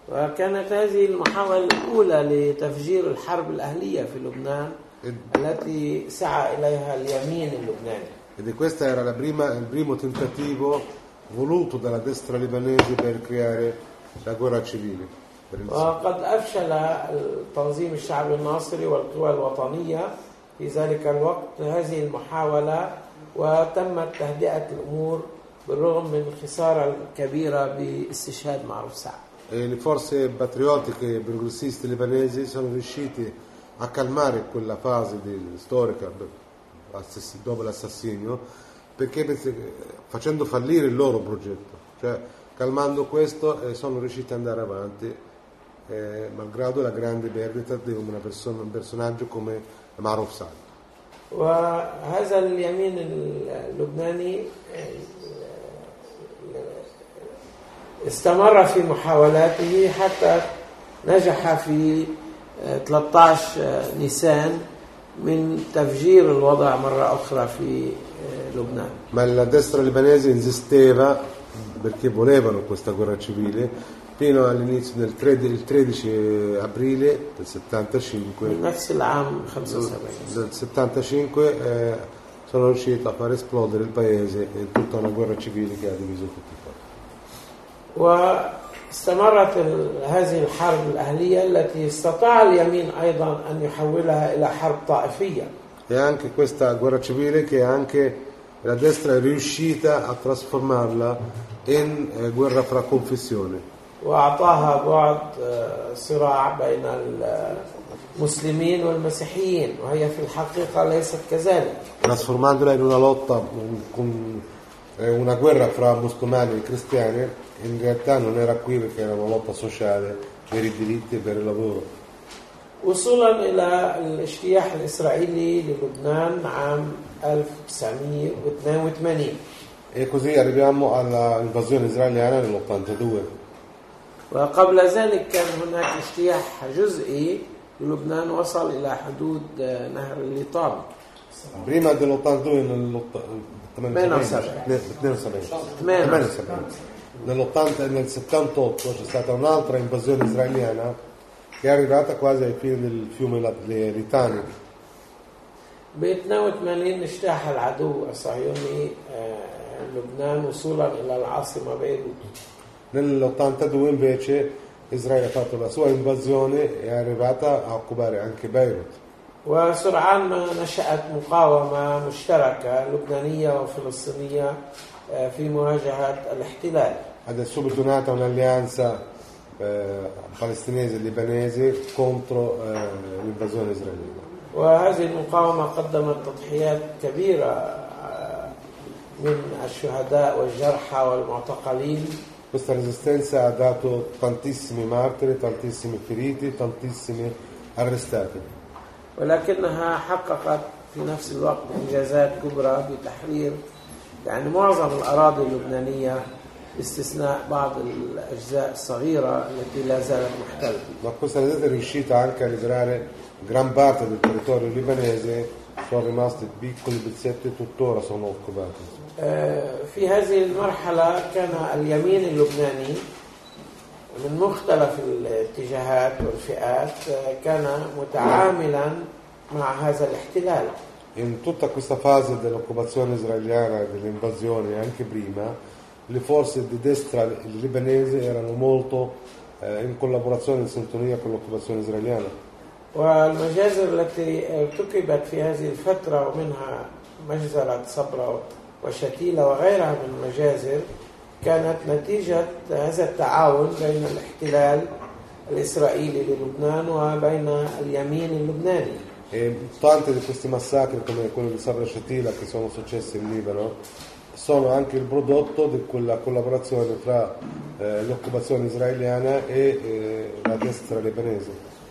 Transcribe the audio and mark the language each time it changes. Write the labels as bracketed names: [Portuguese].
[Arabic] وكانت هذه المحاولة الأولى لتفجير الحرب الأهلية في لبنان التي سعى إليها اليمين اللبناني. [Italian] Ed questa era il primo tentativo voluto dalla destra libanese per creare la guerra civile. [Arabic] وقد أفشل التنظيم الشعبي الناصري والقوى الوطنية في ذلك الوقت هذه المحاولة وتمت تهدئة الأمور بالرغم من الخسارة الكبيرة باستشهاد معروف سعد. [Italian] E le forze patriottiche e progressiste libanesi sono riuscite a calmare quella fase storica dopo l'assassinio, perché facendo fallire il loro progetto, cioè calmando questo, sono riusciti ad andare avanti malgrado la grande perdita di un personaggio come Maruf Saad. E questo il [Arabic] yamin lubnani استمر في محاولاته حتى نجح في 13 نيسان من تفجير الوضع مرة أخرى في لبنان. [Italian] ما la destra libanese insisteva perché volevano questa guerra civile fino all'inizio del 13 aprile del 75. [Arabic] نفس العام 75. [Italian] Del 75 sono riuscito a far esplodere il paese e tutta una guerra civile che ha diviso tutti. [Arabic] واستمرت هذه الحرب الأهلية التي استطاع اليمين أيضا أن يحولها إلى حرب طائفية. [Italian] E anche questa guerra civile che anche la destra è riuscita a trasformarla in guerra fra confessioni. [Arabic] وأعطاها بعد صراع بين المسلمين والمسيحيين وهي في الحقيقة ليست كذلك. [Italian] Trasformandola in una lotta con una guerra fra musulmani e cristiani, in realtà non era qui perché era una lotta sociale per i diritti e per il lavoro. [Arabic] وصولا إلى الاجتياح الإسرائيلي للبنان عام 1982. [Italian] E così arriviamo all'invasione israeliana nell'82. [Arabic] وقبل ذلك كان هناك اجتياح جزئي للبنان وصل إلى حدود نهر الليطان. [Italian] Prima dell'82 nell'78 c'è stata un'altra invasione israeliana che è arrivata quasi ai piedi del fiume Litani. [Arabic] ب82 اجتاح العدو الصهيوني لبنان وصولا إلى العاصمة بيروت. [Italian] Nell'82 invece Israele ha fatto la sua invasione e è arrivata a occupare anche Beirut. [Arabic] وسرعان ما نشأت مقاومة مشتركة لبنانية وفلسطينية في مواجهة الاحتلال. [Italian] Ed è subito nata un'alleanza palestinese libanese contro l'invasione israeliana. [Arabic] وهذه المقاومة قدمت تضحيات كبيرة من الشهداء والجرحى والمعتقلين. [Italian] Questa resistenza ha dato tantissimi martiri, tantissimi feriti, tantissimi arrestati. [Arabic] ولكنها حققت في نفس الوقت إنجازات كبرى بتحرير يعني معظم الأراضي اللبنانية باستثناء بعض الأجزاء الصغيرة التي لا زالت محتلة. [Italian] Ma questa resistenza è riuscita anche a liberare gran parte del territorio libanese. Sono rimasti piccoli pezzetti tuttora sono occupati. [Arabic] في هذه المرحلة كان اليمين اللبناني من مختلف الاتجاهات والفئات كان متعاملا مع هذا الاحتلال. [Italian] In tutta questa fase dell'occupazione israeliana dell'invasione anche prima le forze di destra libanese erano molto in collaborazione in sintonia con l'occupazione israeliana. [Arabic] والمجازر التي ارتكبت في هذه الفترة ومنها مجزرة صبرا وشتيلة وغيرها من المجازر كانت نتيجة هذا التعاون بين الاحتلال الإسرائيلي للبنان وبين اليمين اللبناني. [Italian] E tante di questi massacri come quello di Sabra Shatila che sono successi in Libano sono anche il prodotto di quella collaborazione fra l'occupazione israeliana e la destra libanese.